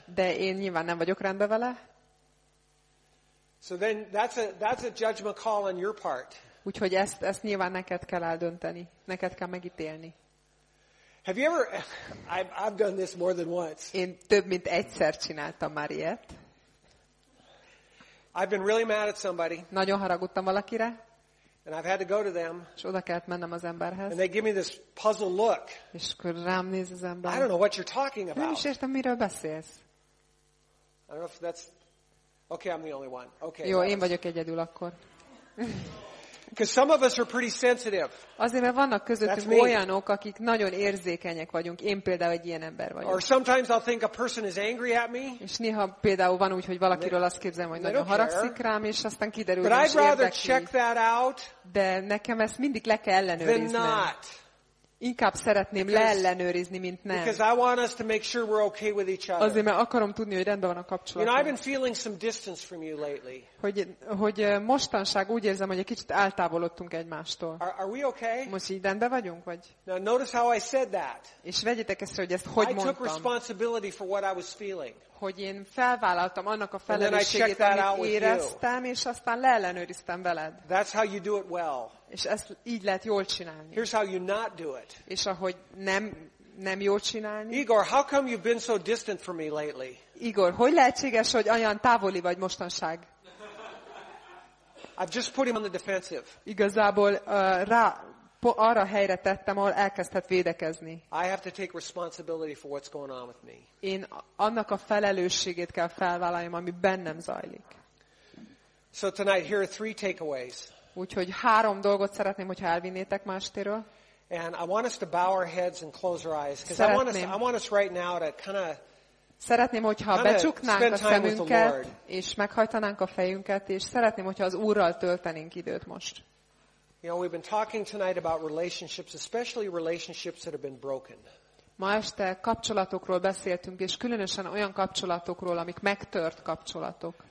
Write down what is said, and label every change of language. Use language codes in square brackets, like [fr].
[hu] De én nyilván nem vagyok rendben vele. [en] So then that's a judgment call on your part. [hu] Úgyhogy ezt nyilván neked kell eldönteni, neked kell megítélni. [en] Have you ever I've done this more than once. [hu] Én több mint egyszer csináltam már ilyet. [en] I've been really mad at somebody. [hu] Nagyon haragudtam valakire. [en] And I've had to go to them. [hu] És oda kellett mennem az emberhez. [en] And they give me this puzzled look. [hu] És akkor rám néz az ember. [en] I don't know what you're talking about. [hu] Nem is értem, miről beszélsz. [en] I don't know if that's okay. I'm the only one. Okay. [hu] Jó, én vagyok egyedül akkor. [en] Because some of us are pretty sensitive. [hu] Azért, mert vannak közöttünk olyanok, akik nagyon érzékenyek vagyunk. Én például egy ilyen ember vagyok. [en] Or sometimes I'll think a person is angry at me. [hu] És néha például van úgy, hogy valakiről azt képzelem, hogy nagyon haragszik rám, és aztán kiderül, hogy nem is érdekli. [en] But I'd rather check that out. [hu] De nekem ezt mindig le kell ellenőriznem. Inkább szeretném leellenőrizni, mint nem. [en] Because I want us to make sure we're okay with each other. [hu] Azért, mert akarom tudni, hogy rendben van a kapcsolatunk. [en] You know, I've been feeling some distance from you lately. [hu] Hogy mostanság úgy érzem, hogy egy kicsit eltávolodtunk egymástól. [en] Are we okay? [hu] Most így rendben vagyunk, vagy? [en] Now notice how I said that. [hu] És vegyétek észre, hogy ezt hogy mondtam. [en] I took responsibility for what I was feeling. [hu] Hogy én felvállaltam annak a felelősségét, amit éreztem, és aztán leellenőriztem veled. [en] That's how you do it well. [hu] És ezt így lehet jól csinálni. [en] Here's how you not do it. [hu] És ahogy nem jól csinálni. [en] Igor, how come you've been so distant from me lately? [hu] Igor, hogy lehetséges, hogy olyan távoli vagy mostanság? [en] I've just put him on the defensive. [hu] Igazából arra helyre tettem, ahol elkezdhet védekezni. [en] I have to take responsibility for what's going on with me. [hu] Én annak a felelősségét kell felvállaljam, ami bennem zajlik. [en] So tonight here are three takeaways. [hu] Úgyhogy három dolgot szeretném, hogyha elvinnétek mástéről. [en] And I want us to bow our heads and close our eyes, because I want us right now to kind of. [hu] Szeretném, hogyha becsuknánk a szemünket és meghajtanánk a fejünket, és szeretném, hogyha az Úrral töltenénk időt most. [en] You know, we've been talking tonight about relationships, especially relationships that have been broken. [hu] Ma este kapcsolatokról beszéltünk, és különösen olyan kapcsolatokról, amik megtört kapcsolatok.